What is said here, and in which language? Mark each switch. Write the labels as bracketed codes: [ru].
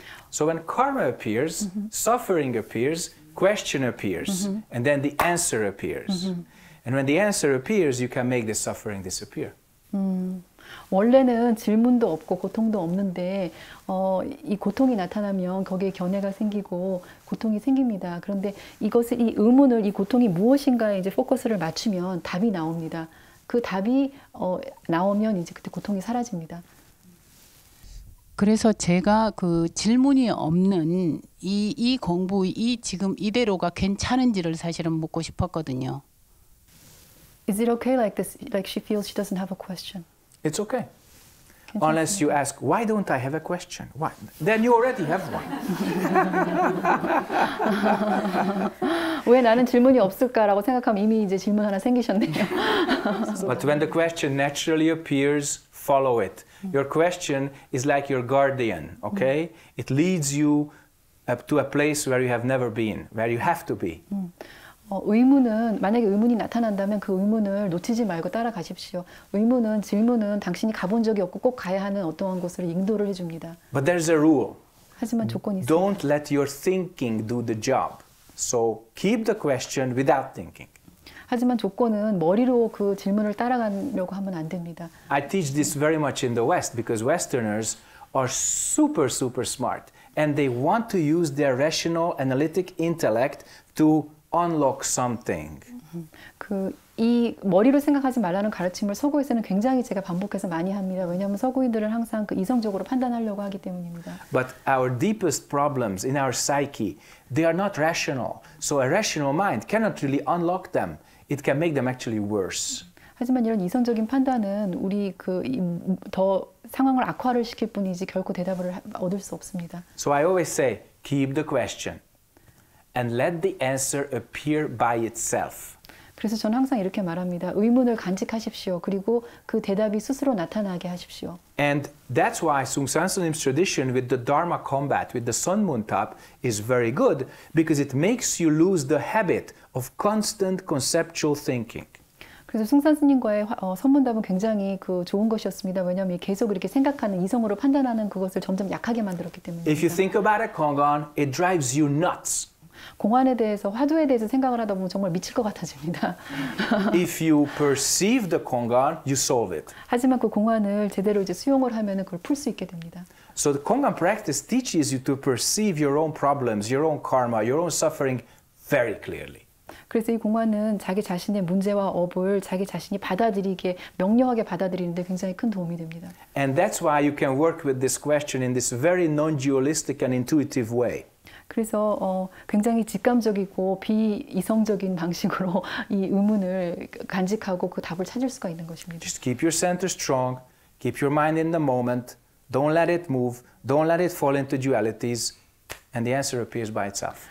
[en] So when karma appears, suffering appears, question appears, and then the answer appears. And when the answer appears, you can make the suffering disappear. [ko] 원래는 질문도 없고 고통도 없는데 이 고통이 나타나면 거기에 견해가 생기고 고통이 생깁니다. 그런데 이것을 이 의문을 이 고통이 무엇인가에 이제 포커스를 맞추면 답이 나옵니다. 그 답이 나오면 이제 그때 고통이 사라집니다. 그래서 제가 그 질문이 없는 이 공부 이 지금 이대로가 괜찮은지를 사실은 묻고 싶었거든요. [en] Is it okay like this? Like she feels she doesn't have a question. It's okay. Unless you ask, why don't I have a question? Why? Then you already have one. [ko] 왜 나는 질문이 없을까라고 생각하면 이미 이제 질문 하나 생기셨네요. [en] But when the question naturally appears, follow it. Your question is like your guardian, okay? It leads you to a place where you have never been, where you have to be. [ko] 의문은 만약에 의문이 나타난다면 그 의문을 놓치지 말고 따라가십시오. 의문은 질문은 당신이 가본 적이 없고 꼭 가야 하는 어떠한 곳을 인도를 해줍니다. [en] But there's a rule. [ko] 하지만 조건이 있어요. [en] Don't let your thinking do the job. So keep the question without thinking. [ko] 하지만 조건은 머리로 그 질문을 따라가려고 하면 안 됩니다. [en] I teach this very much in the West because Westerners are super, super smart and they want to use their rational, analytic intellect to unlock something. [ko] 그 이 머리로 생각하지 말라는 가르침을 서구에서는 굉장히 제가 반복해서 많이 합니다. 왜냐하면 서구인들은 항상 그 이성적으로 판단하려고 하기 때문입니다. [en] But our deepest problems in our psyche, they are not rational. So a rational mind cannot really unlock them. It can make them actually worse. [ko] 하지만 이런 이성적인 판단은 우리 그 더 상황을 악화를 시킬 뿐이지 결코 대답을 얻을 수 없습니다. [en] So I always say, keep the question. And let the answer appear by itself. [ko] 그래서 저는 항상 이렇게 말합니다. 의문을 간직하십시오. 그리고 그 대답이 스스로 나타나게 하십시오. [en] And that's why Sung San Sunim's tradition with the Dharma combat, with the sun moon tap, is very good because it makes you lose the habit of constant conceptual thinking. [ko] 그래서 숭산 스님과의 선문답은 굉장히 그 좋은 것이었습니다. 왜냐하면 계속 이렇게 생각하는 이성으로 판단하는 그것을 점점 약하게 만들었기 때문에. [en] If you think about a Kongan, it drives you nuts. [ko] 공안에 대해서 화두에 대해서 생각을 하다 보면 정말 미칠 것 같아집니다. [en] If you perceive the Kongan, you solve it. [ko] 하지만 그 공안을 제대로 이제 수용을 하면은 그걸 풀 수 있게 됩니다. [en] So the Kongan practice teaches you to perceive your own problems, your own karma, your own suffering very clearly. [ko] 그래서 이 공안은 자기 자신의 문제와 업을 자기 자신이 받아들이게 명료하게 받아들이는데 굉장히 큰 도움이 됩니다. [en] And that's why you can work with this question in this very non-dualistic and intuitive way. [ko] 그래서 굉장히 직감적이고 비이성적인 방식으로 이 의문을 간직하고 그 답을 찾을 수가 있는 것입니다. [en] Just keep your center strong. Keep your mind in the moment. Don't let it move. Don't let it fall into dualities. And the answer appears by itself.